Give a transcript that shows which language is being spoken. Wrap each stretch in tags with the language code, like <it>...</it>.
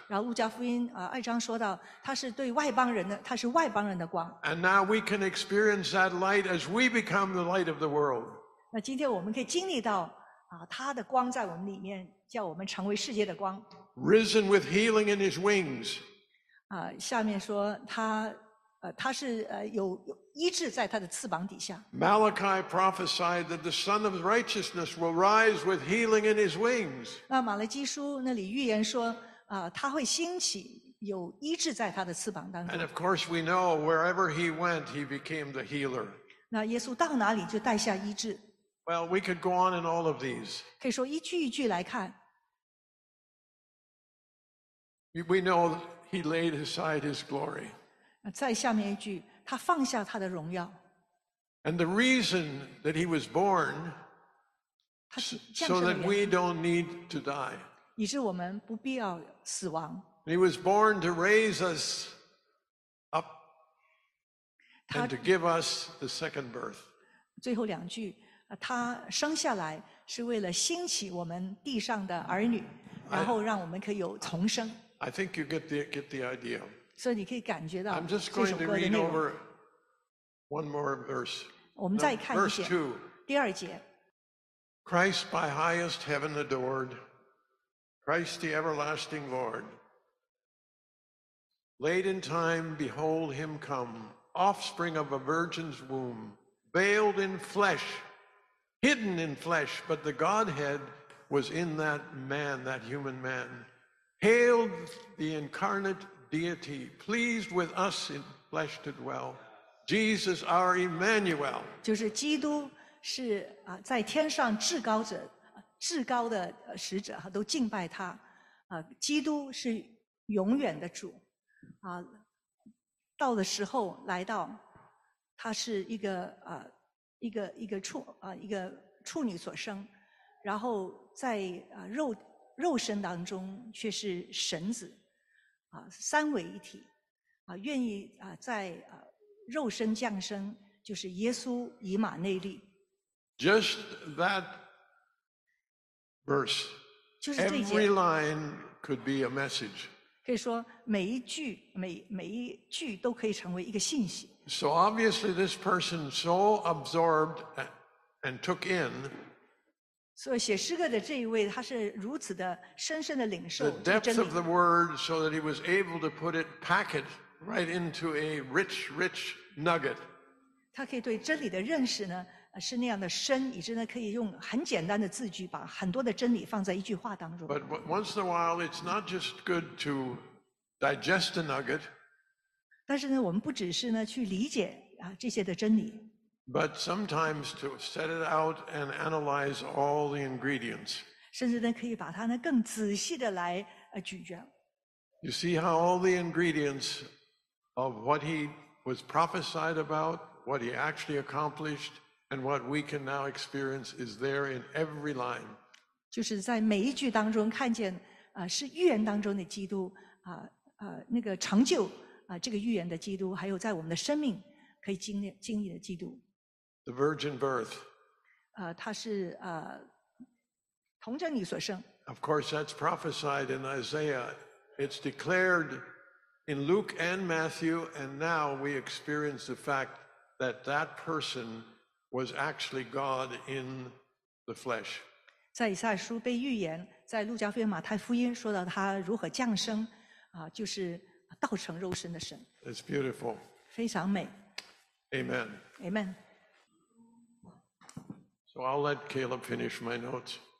<zh>然后路加福音、二章说到他是对外邦人的他是外邦人的光。</zh> <en>And now we can experience that light as we become the light of the world.</en> <zh>那今天我们可以经历到他的光在我们里面叫我们成为世界的光。</zh> <en>Risen with healing in his wings.</en> <zh>下面说他、他是、有医治在他的翅膀底下。</zh> <en>Malachi prophesied that the son of righteousness will rise with healing in his wings.</en> <zh>那马来基书那里预言说、他会兴起有医治在他的翅膀当中。</zh> <en>And of course we know wherever he went, he became the healer.</en> <zh>那耶稣到哪里就带下医治。</zh> <en>Well, we could go on in all of these.</en> <zh>可以说一句一句来看。</zh> <en>We know he laid aside his glory.</en> <zh>再下面一句，他放下他的荣耀。</zh> <en>And the reason that he was born, so that we don't need to die.</en> <zh>以致我们不必要死亡。</zh> <en>He was born to raise us up and to give us the second birth.</en> <zh>最后两句。他生下来是为了兴起我们地上的儿女，然后让我们可以有重生。</zh> <en>I think you get the idea.</en> <zh>所以你可以感觉到这首歌的内容。</zh> <en>I'm just going to read over one more verse.</en> <zh>我们再看一节。</zh> <en>Verse 2.</en> <zh>第二节。</zh> <en>Christ by highest heaven adored, Christ the everlasting Lord. Late in time, behold him come, offspring of a virgin's womb, veiled in flesh. Hidden in flesh, but the Godhead was in that man, that human man. Hail the incarnate deity, pleased with us in flesh to dwell. Jesus, our Emmanuel.</en> <zh>就是基督是在天上至高者，至高的使者都敬拜他。基督是永远的主。到的时候来到，他是一个处女所生，然后在肉身当中却是神子，三位一体，愿意在肉身降生，就是耶稣以马内利。</zh> <en>Just that verse,</en> <zh>就是这一节。</zh> <en>Every line could be a message.</en> <zh>可以说每一句每一句都可以成为一个信息。</zh> <en>So obviously this person so absorbed and took in.</en> <zh>所以写诗歌的这一位他是如此的深深的领受。</zh> <en>The depth of the word so that he was able to put it, pack it right into a rich, rich nugget.</en> <zh>他可以对真理的认识呢是那样的深以致呢可以用很简单的字句把很多的真理放在一句话当中。</zh> <en>But once in a while, it's not just good to digest a nugget.</en> <zh>但是呢我们不只是呢去理解这些的真理。</zh> <en>But sometimes to set it out and analyze all the ingredients.</en> <zh>甚至呢可以把它呢更仔细的来咀嚼。</zh> <en>You see how all the ingredients of what he was prophesied about, what he actually accomplished, and what we can now experience is there in every line.</en> <zh>就是在每一句当中看见是预言当中的基督那个成就。这个预言的基督还有在我们的生命可以经历的基督。</zh> <en>The virgin birth.</en> <zh>他是童贞女所生。</zh> <en>Of course, that's prophesied in Isaiah. It's declared in Luke and Matthew, and now we experience the fact that person was actually God in the flesh.</en> <zh>在以赛书被预言，在路加福音、马太福音说到他如何降生，就是道成肉身的神。</zh> <en>It's beautiful.</en> <zh>非常美。</zh> <en>Amen. Amen. So I'll let Caleb finish my notes.</en>